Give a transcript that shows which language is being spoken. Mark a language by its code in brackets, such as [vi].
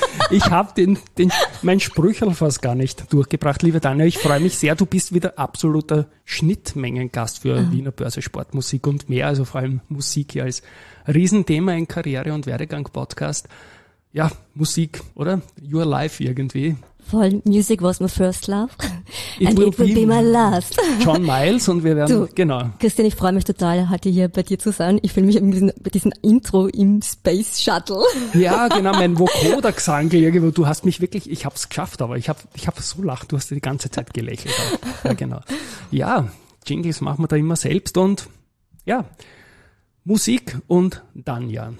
[de] Ich hab mein Sprüchel fast gar nicht durchgebracht, liebe Tanja. Ich freue mich sehr, du bist wieder absoluter Schnittmengengast für Wiener Börse Sportmusik und mehr, also vor allem Musik hier als Riesenthema in Karriere- und Werdegang-Podcast. Ja, Musik, oder? Your life irgendwie. [en] Voll, Music was my first love and it will be my last. [de] John Miles und wir werden, genau. Christian, ich freue mich total, heute hier bei dir zu sein. Ich fühle mich bei diesem Intro im Space Shuttle. Ja, genau, mein Vokoder-Gesang irgendwo. Du hast mich wirklich, ich habe es geschafft, aber ich habe so lacht, du hast die ganze Zeit gelächelt. Ja, genau. Ja, Jingles machen wir da immer selbst und ja, Musik und Tanja.